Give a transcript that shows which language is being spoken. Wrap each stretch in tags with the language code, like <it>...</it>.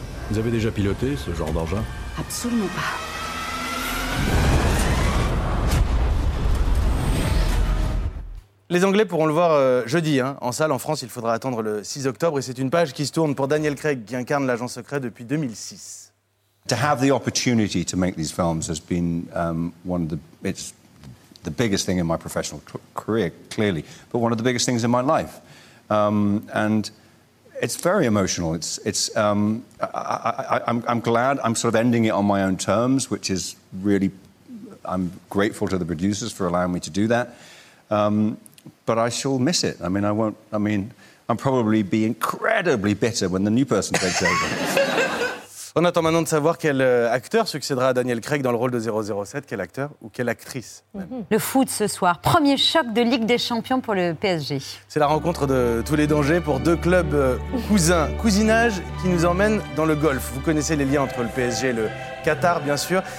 <fr>Vous avez déjà piloté ce genre d'engin ? Absolument pas. Les Anglais pourront le voir jeudi, hein, en salle. En France, il faudra attendre le 6 octobre. Et c'est une page qui se tourne pour Daniel Craig, qui incarne l'agent secret depuis 2006.</fr> <en>To have the opportunity to make these films has been one of the it's the biggest thing in my professional career, clearly, but one of the biggest things in my life. And it's very emotional. I'm glad I'm sort of ending it on my own terms, which is really I'm grateful to the producers for allowing me to do that. But I shall miss it. I mean, I won't. I mean, I'll probably be incredibly bitter when the new person takes over.</en> <fr>On attend maintenant de savoir quel acteur succédera à Daniel Craig dans le rôle de 007, quel acteur ou quelle actrice. Le foot ce soir, premier choc de Ligue des Champions pour le PSG. C'est la rencontre de tous les dangers pour deux clubs cousins. Cousinage qui nous emmène dans le golf. Vous connaissez les liens entre le PSG et le Qatar, bien sûr.</fr>